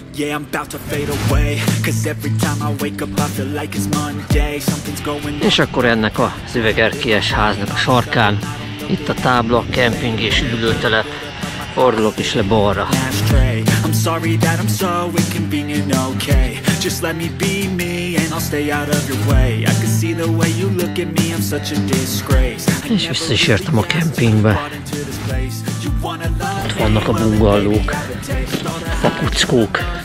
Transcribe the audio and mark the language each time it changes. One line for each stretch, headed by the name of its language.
English: Yeah, I'm about to fade away, 'cause every time I wake up I feel like it's Monday. Something's going on.
Hungarian: És akkor ennek a Üvegerkélyes háznak a sarkán itt a tábla, kemping és üdülőtelep. Fordulok is le balra.
English: I'm sorry that I'm so inconvenient, okay. Just let me be me and I'll stay out of your way. I can see the way you look at me, I'm such a disgrace.
Hungarian: És vissza is értem a kempingbe. Ott vannak a bungallók, a kuckók.